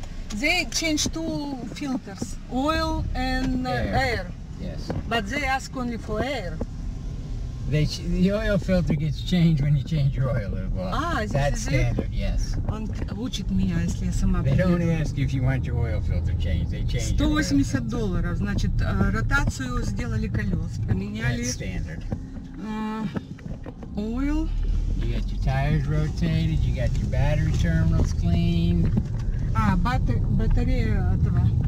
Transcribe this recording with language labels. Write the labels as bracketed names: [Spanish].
[English] They changed two filters. Oil and air. Yes. But they ask only for air. The oil filter gets changed when you change your oil. Well, that's standard, yes. [Russian] Он учит меня, если я сама... [English] They don't ask if you want your oil filter changed. They change [Russian] $180, значит, ротацию сделали колес, поменяли... [English] That's standard. Oil. You got your tires rotated, you got your battery terminals cleaned. [Russian] Ah, батарея этого.